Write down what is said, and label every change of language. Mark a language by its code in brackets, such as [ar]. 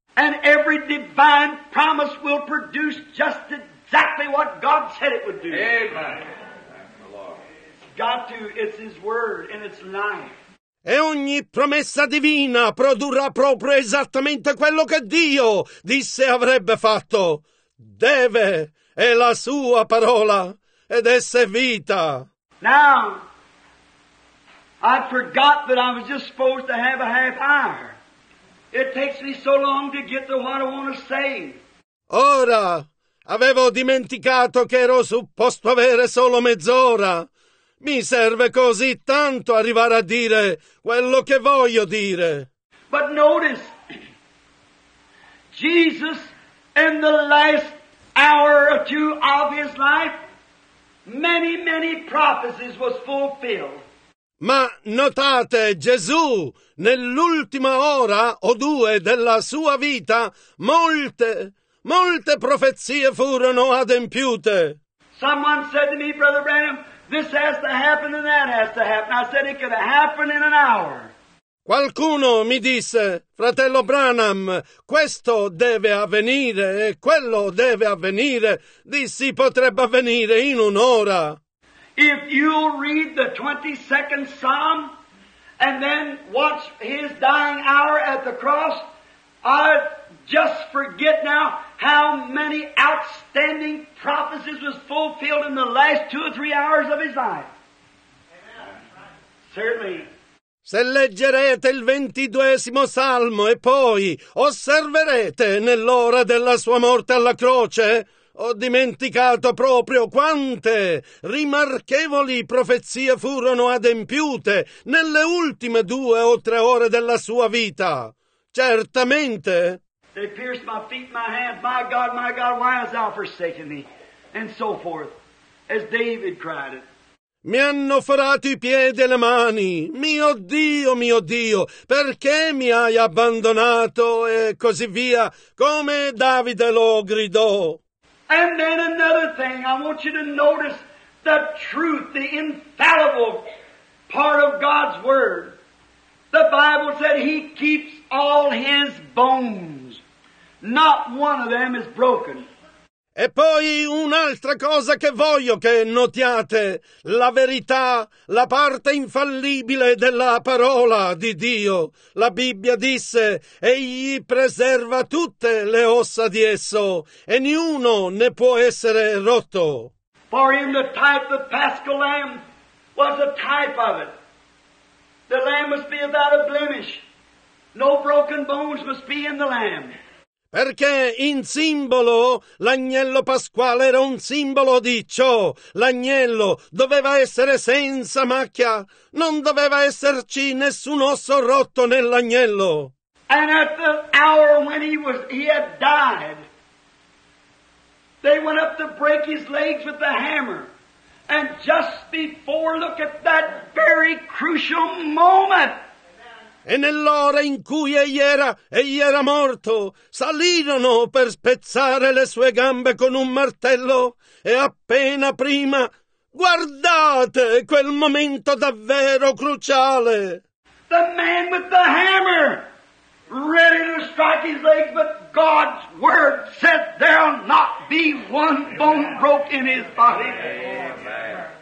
[en] And every divine promise will produce just exactly what God said it would do. Amen. God too, it's His word and it's life. [it] E ogni promessa divina produrrà proprio esattamente quello che Dio disse avrebbe fatto. Deve, è la sua parola, ed essa è vita. [en] Now, I forgot that I was just supposed to have a half hour. It takes me so long to get to what I want to say. [it] Ora, avevo dimenticato che ero supposto avere solo mezz'ora. Mi serve così tanto arrivare a dire quello che voglio dire. [en] But notice, Jesus in the last hour or two of his life, many, many prophecies was fulfilled. [it] Ma notate, Gesù, nell'ultima ora o due della sua vita, molte, molte profezie furono adempiute. [en] Someone said to me, Brother Branham, this has to happen and that has to happen. I said it could happen in an hour. [it] Qualcuno mi disse, fratello Branham, questo deve avvenire e quello deve avvenire. Dissi, potrebbe avvenire in un'ora. [en] If you'll read the 22nd Psalm and then watch his dying hour at the cross, I just forget now how many outstanding prophecies was fulfilled in the last two or three hours of his life. Certainly. [it] Se leggerete il 22° Salmo e poi osserverete nell'ora della sua morte alla croce, ho dimenticato proprio quante rimarchevoli profezie furono adempiute nelle ultime due o tre ore della sua vita. Certamente. [en] They pierced my feet, my hands, my God, why hast thou forsaken me? And so forth, as David cried it. [it] Mi hanno forato i piedi e le mani, mio Dio, perché mi hai abbandonato? E così via, come Davide lo gridò. [en] And then another thing, I want you to notice the truth, the infallible part of God's word. The Bible said he keeps all his bones. Not one of them is broken. [it] E poi un'altra cosa che voglio che notiate, la verità, la parte infallibile della parola di Dio. La Bibbia disse, egli preserva tutte le ossa di esso, e niuno ne può essere rotto. [en] For in the type of the Paschal Lamb was a type of it. The lamb must be without a blemish. No broken bones must be in the lamb. [it] Perché in simbolo l'agnello pasquale era un simbolo di ciò. L'agnello doveva essere senza macchia. Non doveva esserci nessun osso rotto nell'agnello. [en] And at the hour when he had died, they went up to break his legs with the hammer. And just before, look at that very crucial moment. [it] E nell'ora in cui egli era morto, salirono per spezzare le sue gambe con un martello e appena prima, guardate quel momento davvero cruciale. [en] The man with the hammer, ready to strike his legs, but God's word said there'll not be one bone broke in his body.